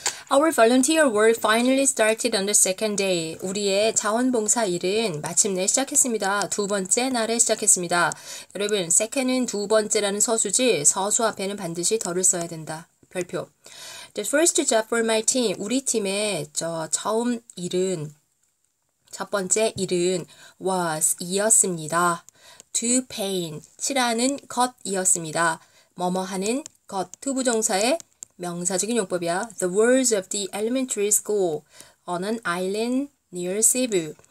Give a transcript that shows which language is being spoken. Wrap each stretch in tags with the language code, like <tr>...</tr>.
<en>Our volunteer work finally started on the second day.</en> <ko>우리의 자원봉사 일은 마침내 시작했습니다. 두 번째 날에 시작했습니다. 여러분, second은 두 번째라는 서수지, 서수 앞에는 반드시 덜을 써야 된다. 별표.</ko> <en>The first job for my team.</en> <ko>우리 팀의 저 처음 일은, 첫 번째 일은 was 이었습니다.</ko> <en>To paint.</en> <ko>칠하는 것이었습니다. 뭐뭐 하는 것. to 부정사의 명사적인 용법이야.</ko> <en>The walls of the elementary school on an island near Cebu.</en>